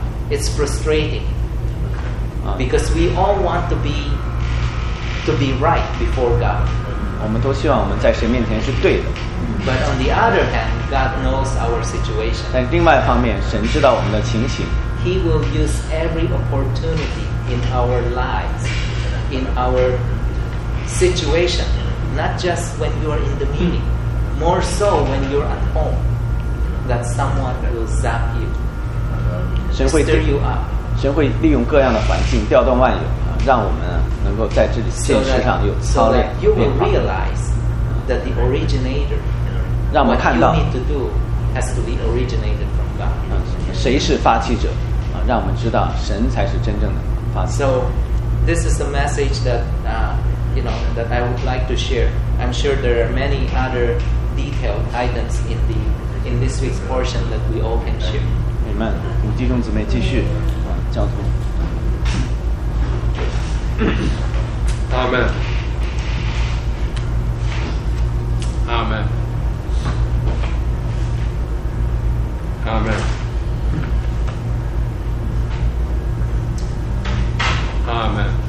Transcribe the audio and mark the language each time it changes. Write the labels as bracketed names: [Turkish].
[English] It's frustrating because we all want to be right before God. [Chinese] 我们都希望我们在神面前是对的。 [English] But on the other hand, God knows our situation. [Chinese] 但另外一方面，神知道我们的情形。 [English] He will use every opportunity in our lives, in our situation, not just when you are in the meeting, more so when you're at home, that someone will zap you, stir you up. [Chinese] 神会利用各样的环境，调动万有，让我们能够在这里现实上有操练。 [English] So that you will realize that the originator. [Chinese] 让我们看到 [English] what you need to do has to be originated from God. [Chinese] 谁是发起者？让我们知道神才是真正的发起者。 [English] So this is the message that, you know, that I would like to share. I'm sure there are many other detailed items in this week's portion that we all can share. Amen. [Chinese] 我们弟兄姊妹继续教徒。 [English] Amen. Amen. Amen. Amen.